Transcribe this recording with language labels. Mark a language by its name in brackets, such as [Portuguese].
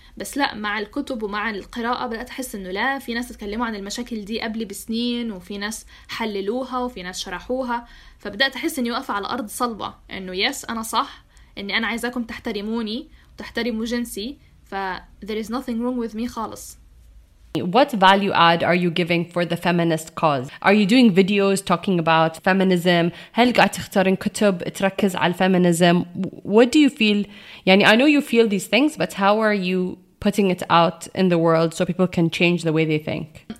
[Arabic] بس لا، مع الكتب ومع القراءة بدأت أحس أنه لا، في ناس تكلموا عن المشاكل دي قبل بسنين، وفي ناس حللوها وفي ناس شرحوها. فبدأت أحس أني واقفة على أرض صلبة، أنه يس أنا صح، أني أنا عايزاكم تحترموني وتحترموا جنسي، ف [English] there is nothing wrong with me [Arabic] خالص. [English] What value add are you giving for the feminist cause? Are you doing videos talking about feminism? [Arabic] هل قاعد تختارين كتب تركز على الفيمينيزم؟ [English] What do you feel? [Arabic] يعني [English] I know you feel these things, but how are you putting it out in the world so people can change the way they think?